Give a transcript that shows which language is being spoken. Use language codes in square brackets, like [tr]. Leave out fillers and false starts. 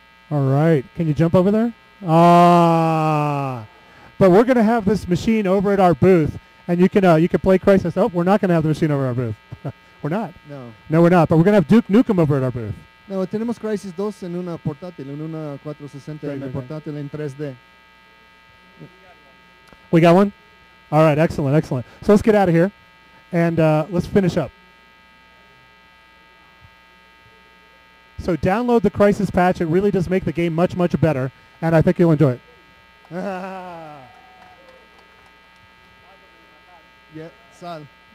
[en] All right. Can you jump over there? Ah. But we're going to have this machine over at our booth, and you can play Crisis. Oh, we're not going to have the machine over at our booth. We're not. No. No, we're not. But we're going to have Duke Nukem over at our booth. [es] No, tenemos Crisis 2 en una portátil, en una 460 en una portátil en 3D. [en] We got one? All right, excellent, excellent. So let's get out of here, and let's finish up. So download the Crisis patch. It really does make the game much, much better, and I think you'll enjoy it. Yeah, [es] sal.